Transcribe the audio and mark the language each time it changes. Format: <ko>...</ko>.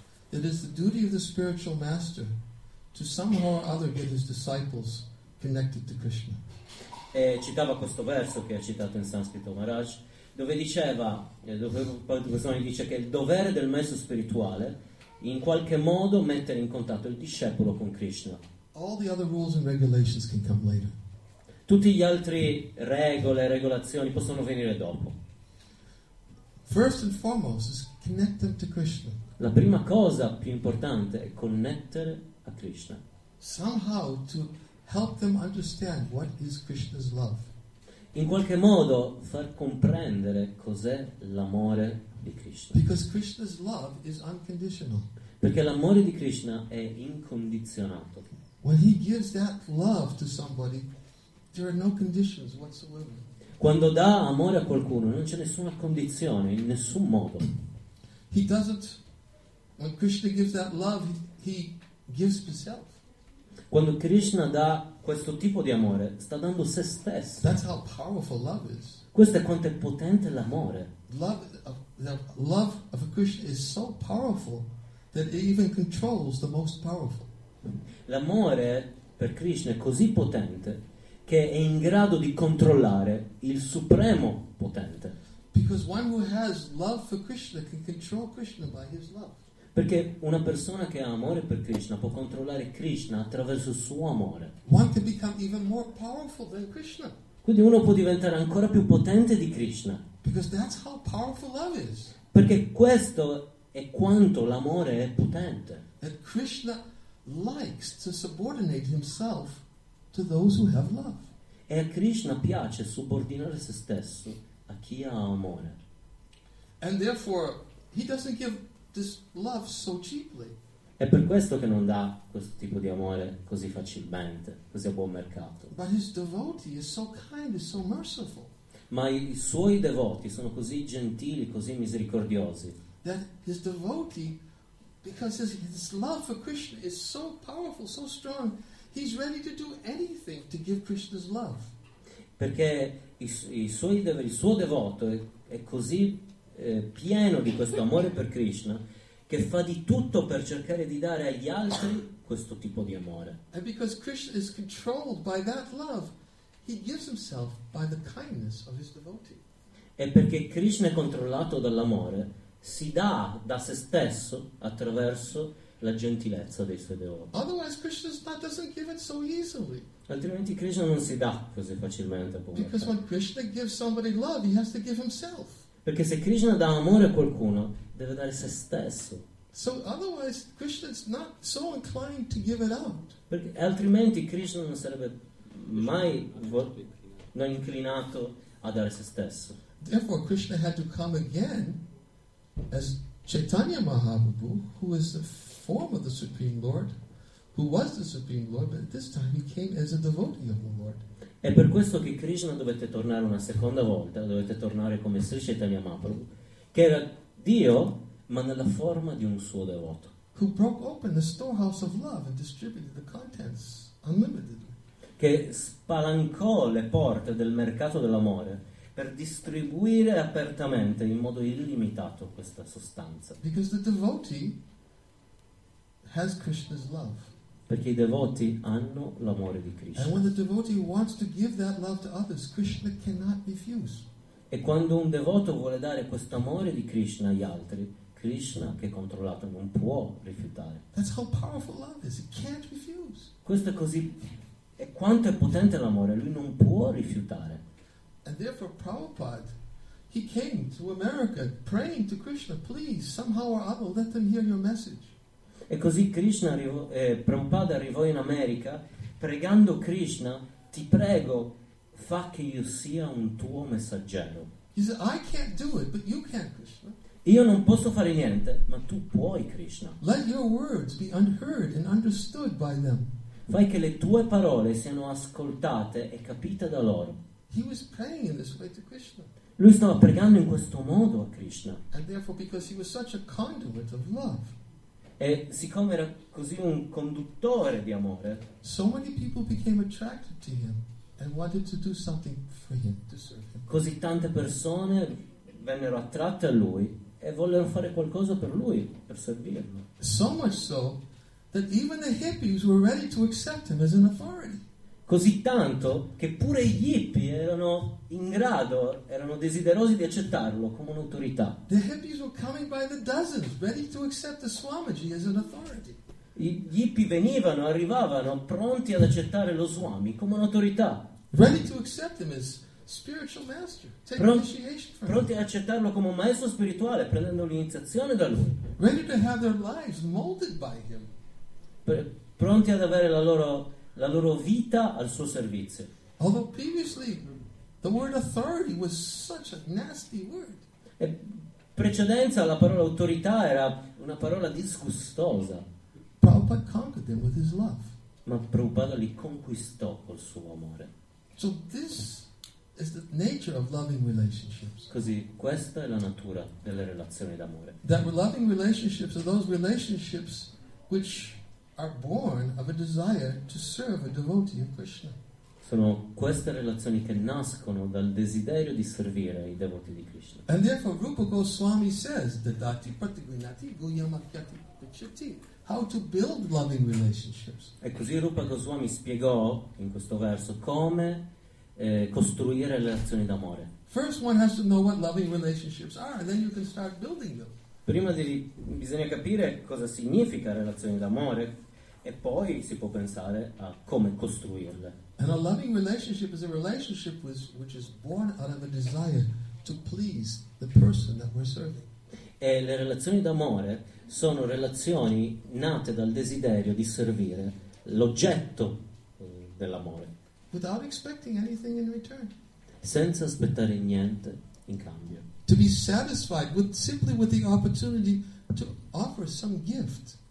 <en>It is the duty of the spiritual master to somehow or other get his disciples connected to Krishna.</en> <it>E citava questo verso che ha citato in sanscrito Maharaj: dove diceva, dove questo dice che il dovere del maestro spirituale in qualche modo mettere in contatto il discepolo con Krishna.</it> <en>All the other rules and regulations can come later.</en> <it>Tutti gli altri regole e regolazioni possono venire dopo.</it> <en>First and foremost is connect them to Krishna.</en> <it>La prima cosa più importante è connettere a Krishna.</it> <en>Somehow to help them understand what is Krishna's love.</en> <it>In qualche modo far comprendere cos'è l'amore di Krishna.</it> <en>Because Krishna's love is unconditional.</en> <it>Perché l'amore di Krishna è incondizionato.</it> <en>When he gives that love to somebody, there are no conditions whatsoever.</en> <it>Quando dà amore a qualcuno, non c'è nessuna condizione, in nessun modo.</it> <en>He doesn't. When Krishna gives that love, he gives himself.</en> <it>Quando Krishna dà questo tipo di amore, sta dando se stesso.</it> <en>That's how powerful love is.</en> <it>Questo è quanto è potente l'amore.</it> <en>Love of a Krishna is so powerful that it even controls the most powerful.</en> <it>L'amore per Krishna è così potente che è in grado di controllare il supremo potente.</it> <en>Because one who has love for Krishna can control Krishna by his love.</en> <it>Perché una persona che ha amore per Krishna può controllare Krishna attraverso il suo amore.</it> <en>One can become even more powerful than Krishna.</en> <it>Quindi uno può diventare ancora più potente di Krishna.</it> <en>Because that's how powerful love is.</en> <it>Perché questo è quanto l'amore è potente.</it> <en>That Krishna likes to subordinate himself to those who have love.</en> <it>E a Krishna piace subordinare se stesso a chi ha amore.</it> <en>And therefore he doesn't give this love so cheaply.</en> <it>È per questo che non dà questo tipo di amore così facilmente, così a buon mercato.</it> <en>But his devotee is so kind, is so merciful.</en> <it>Ma i suoi devoti sono così gentili, così misericordiosi.</it> <en>That his devotee, because his love for Krishna is so powerful, so strong, he's ready to do anything to give Krishna's love.</en> <it>Perché il suo devoto è così pieno di questo amore per Krishna che fa di tutto per cercare di dare agli altri questo tipo di amore.</it> <en>And because Krishna is controlled by that love, he gives himself by the kindness of his devotee.</en> <it>E perché Krishna è controllato dall'amore, si dà da se stesso attraverso la gentilezza dei suoi devoti.</it> <en>Otherwise Krishna doesn't give it so easily.</en> <it>Altrimenti Krishna non si dà così facilmente.</it> <en>Because when Krishna gives somebody love, he has to give himself.</en> <it>Perché se Krishna dà amore a qualcuno, deve dare se stesso.</it> <en>So otherwise Krishna is not so inclined to give it out.</en> <it>Perché altrimenti Krishna non sarebbe mai non inclinato a dare se stesso.</it> <en>Therefore Krishna had to come again as Chaitanya Mahaprabhu, who is the form of the Supreme Lord, who was the Supreme Lord, but at this time he came as a devotee of the Lord.</en> <it>È per questo che Krishna dovette tornare una seconda volta, dovette tornare come Sri Chaitanya Mahaprabhu, che era Dio, ma nella forma di un suo devoto.</it> <en>Who broke open the storehouse of love and distributed the contents unlimitedly.</en> <it>Che spalancò le porte del mercato dell'amore per distribuire apertamente in modo illimitato questa sostanza.</it> <en>Because the devotee has Krishna's love.</en> <it>Perché i devoti hanno l'amore di Krishna.</it> <en>And when the devotee wants to give that love to others, Krishna cannot refuse.</en> <it>E quando un devoto vuole dare questo amore di Krishna agli altri, Krishna, che è controllato, non può rifiutare.</it> <en>That's how powerful love is. He can't refuse.</en> <it>Questo è così. E quanto è potente l'amore, lui non può rifiutare.</it> <en>And therefore Prabhupada, he came to America praying to Krishna, please, somehow or other, let them hear your message.</en> <it>E così Krishna Prabhupada arrivò in America pregando Krishna, ti prego, fa che io sia un tuo messaggero.</it> <en>He said, I can't do it, but you can, Krishna.</en> <it>Io non posso fare niente, ma tu puoi, Krishna.</it> <en>Let your words be unheard and understood by them.</en> <it>Fai che le tue parole siano ascoltate e capite da loro.</it> <en>He was praying in this way to Krishna.</en> <it>Lui stava pregando in questo modo a Krishna.</it> <en>And therefore, because he was such a conduit of love,</en> <it>e siccome era così un conduttore di amore,</it> <en>so many people became attracted to him and wanted to do something for him to serve him.</en> <it>Così tante persone vennero attratte a lui e vollero fare qualcosa per lui, per servirlo.</it> <en>So much so that even the hippies were ready to accept him as an authority.</en> <it>così tanto che pure gli hippie erano in grado, erano desiderosi di accettarlo come un'autorità.</it> <en>The hippies were coming by the dozens, ready to accept the Swamiji as an authority.</en> <it>Gli hippie venivano, arrivavano pronti ad accettare lo Swami come un'autorità.</it> <en>Ready to accept him as spiritual master, take initiation from him.</en> <it>Pronti ad accettarlo come un maestro spirituale, prendendo l'iniziazione da lui.</it> <en>Ready to have their lives molded by him.</en> <it>Pronti ad avere la loro vita al suo servizio.</it> <en>Although previously the word authority was such a nasty word.</en> <it>E precedenza la parola autorità era una parola disgustosa.</it> <en>Prabhupada conquered them with his love.</en> <it>Ma Prabhupada li conquistò col suo amore.</it> <en>So this is the nature of loving relationships.</en> <it>Così questa è la natura delle relazioni d'amore.</it> <en>That loving relationships are those relationships which are born of a desire to serve a devotee of Krishna.</en> <it>Sono queste relazioni che nascono dal desiderio di servire i devoti di Krishna.</it> <en>And therefore Rupa Goswami says,</en> <sa>Dadati Pratigrinati Guyamakyati Pichati,</sa> <en>how to build loving relationships.</en> <it>E così Rupa Goswami spiegò in questo verso come costruire relazioni d'amore.</it> <en>First one has to know what loving relationships are, and then you can start building them.</en> <it>Prima bisogna capire cosa significa relazioni d'amore e poi si può pensare a come costruirle.</it> <en>And a loving relationship is a relationship which is born out of a desire to please the person that we're serving.</en> <it>E le relazioni d'amore sono relazioni nate dal desiderio di servire l'oggetto dell'amore.</it> <en>Without expecting anything in return.</en> <it>Senza aspettare niente in cambio.</it> <en>To be satisfied with simply with the opportunity to offer some gift.</en>